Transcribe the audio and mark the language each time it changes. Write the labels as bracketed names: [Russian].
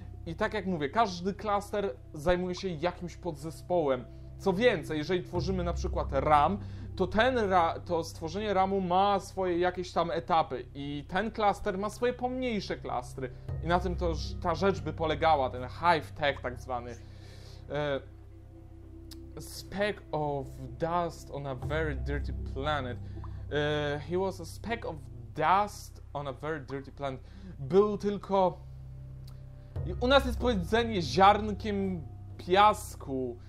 [Polish] I tak jak mówię, każdy klaster zajmuje się jakimś podzespołem. Co więcej, jeżeli tworzymy na przykład RAM, to stworzenie RAMu ma swoje jakieś tam etapy i ten klaster ma swoje pomniejsze klastry. I na tym to ta rzecz by polegała, ten hive tech tak zwany. [English] Speck of dust on a very dirty planet. He was a speck of dust on a very dirty planet. [Polish] Był tylko... I u nas jest powiedzenie ziarnkiem piasku.